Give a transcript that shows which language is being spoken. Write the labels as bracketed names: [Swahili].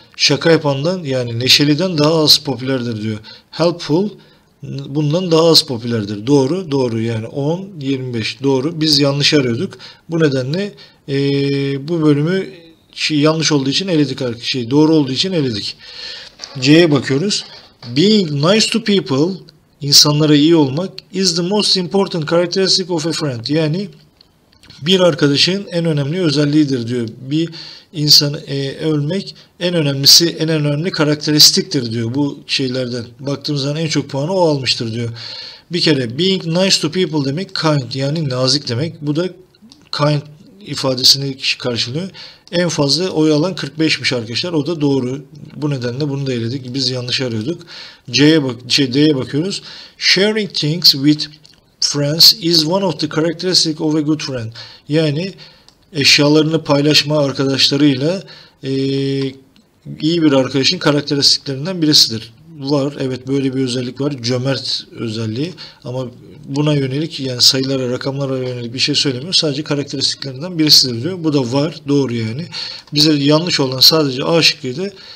[Turkish] Şaka yapandan, yani neşeliden daha az popülerdir diyor. Helpful bundan daha az popülerdir. Doğru, doğru. Yani 10, 25 doğru. Biz yanlış arıyorduk. Bu nedenle bu bölümü yanlış olduğu için eledik. Doğru olduğu için eledik. C'ye bakıyoruz. [English] Being nice to people, [Turkish] insanlara iyi olmak, [English] is the most important characteristic of a friend. [Turkish] Yani bir arkadaşın en önemli özelliğidir diyor. Bir insanı ölmek en önemlisi, en önemli karakteristiktir diyor bu şeylerden. Baktığımız zaman en çok puanı o almıştır diyor. Bir kere [English] being nice to people [Turkish] demek kind, yani nazik demek. Bu da kind ifadesini karşılıyor. En fazla oy alan 45'miş arkadaşlar. O da doğru. Bu nedenle bunu da eledik. Biz yanlış arıyorduk. D'ye bakıyoruz. [English] Sharing things with friends is one of the characteristic of a good friend. [Turkish] Yani eşyalarını paylaşma arkadaşlarıyla iyi bir arkadaşın karakteristiklerinden birisidir. Var, evet, böyle bir özellik var. Cömert özelliği. Ama buna yönelik, yani sayılara, rakamlara yönelik bir şey söylemiyor. Sadece karakteristiklerinden birisidir diyor. Bu da var, doğru yani. Bize yanlış olan sadece A şıkkıydı.